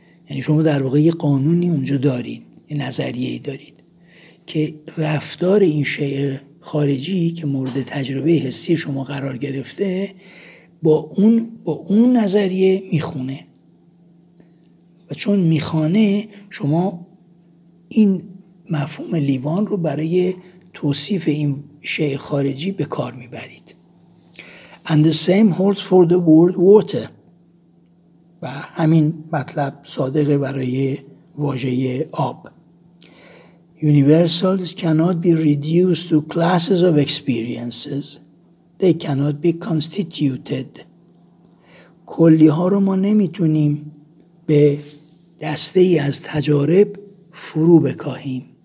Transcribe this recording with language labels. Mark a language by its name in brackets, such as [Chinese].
[Persian] یعنی شما در واقع یه قانونی اونجا دارید، یه نظریه‌ای دارید که رفتار این شیء خارجی که مورد تجربه حسی شما قرار گرفته با اون نظریه میخونه، و چون میخونه شما این مفهوم لیوان رو برای توصیف این شیء خارجی به کار میبرید. [English] And the same holds for the word water. [Persian] و همین مطلب صادقه برای واژه آب. [English] Universals cannot be reduced to classes of experiences. They cannot be constituted. [Persian] کلی ها رو ما نمیتونیم به دسته ای از تجارب فرو بکاهیم.